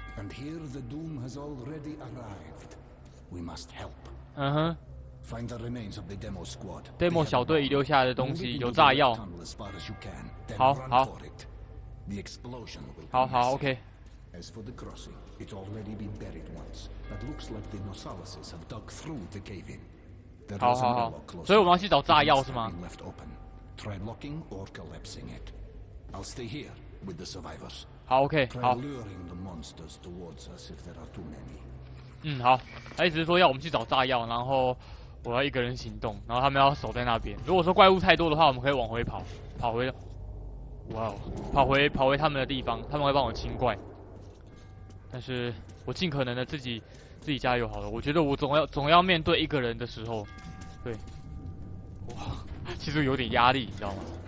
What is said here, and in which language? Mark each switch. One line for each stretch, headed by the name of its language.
English: And here the doom has already arrived. We must help. 嗯哼。 Find the remains of the demo squad.
Chinese: Demo 小队遗留下来的东西，有炸药。
English: 好好。The explosion will. 好好 ，OK. As for the crossing, it's already been buried once, but looks like the Nosalises have dug through the cave-in. There is another closer.
Chinese: 所以我们要去找炸药是吗 ？
English: Left open. Try locking or collapsing it. I'll stay here with the survivors. 好 ，OK. 好。 Try luring the monsters towards us if there are too many. 嗯，好。
Chinese: 他意思是说要我们去找炸药，然后。我要一个人行动，然后他们要守在那边。如果说怪物太多的话，我们可以往回跑，跑回，哇哦，跑回他们的地方，他们会帮我清怪。但是我尽可能的自己加油好了。我觉得我总要面对一个人的时候，对，哇，其实有点压力，你知道吗？